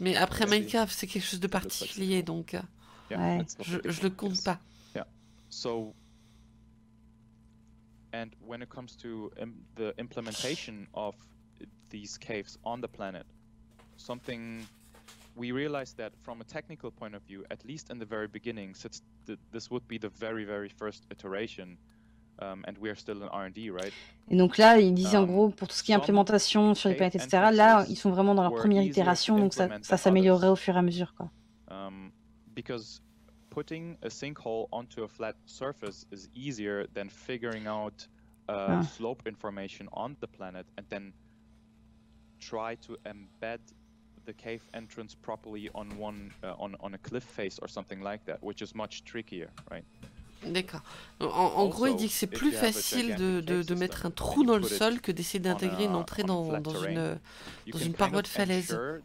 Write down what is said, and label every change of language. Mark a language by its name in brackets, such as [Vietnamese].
[French] Mais après, Minecraft, c'est quelque chose de particulier, donc. Je le compte pas. [English] So. And when it comes to the implementation of these caves on the planet, something. We realized that from a technical point of view, at least in the very beginning, since this would be the very, very first iteration, and we are still in R&D, right? [French] Et donc là, ils disent en gros, pour tout ce qui est implémentation sur les planètes, etc., là, ils sont vraiment dans leur première itération, donc ça s'améliorerait au fur et à mesure, quoi. [English] Because putting a sinkhole onto a flat surface is easier than figuring out slope information on the planet and then try to embed the cave entrance properly on one on a cliff face or something like that, which is much trickier, right? [French] D'accord. En gros, il dit que c'est plus facile de mettre un trou dans le sol que d'essayer d'intégrer une entrée dans une paroi de falaise.